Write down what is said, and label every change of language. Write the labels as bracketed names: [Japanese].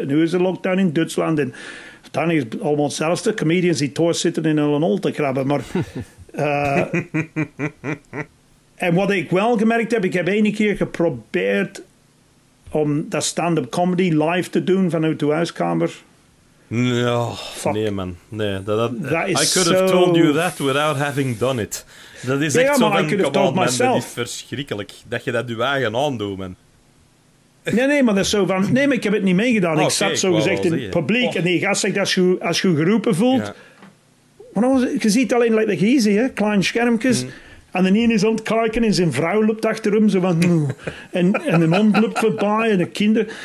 [Dutch] En hoe is de lockdown in Duitsland? En uiteindelijk is het allemaal zelfs de comedians die thuis zitten in een hol te krabben. Maar, en wat ik wel gemerkt heb, ik heb één keer geprobeerd om dat stand-up comedy live te doen vanuit de huiskamer. No, nee, man. [English] Nee, that is I could have told you that without having done it. [Dutch] Dat is echt zo van, [English] come on, man, [Dutch] dat is verschrikkelijk. Dat je dat je eigen aandoet, man. Nee, maar dat is zo van, nee, maar ik heb het niet meegedaan. Okay, ik zat zo gezegd in het publiek en die gast zegt, als je geroepen voelt. Yeah. Maar je ziet alleen, [English] like, the easy, [Dutch] hè? Klein schermpjes. En de ene is aan het kijken en zijn vrouw loopt achter hem. Zo van, en een hond loopt voorbij en de kinderen.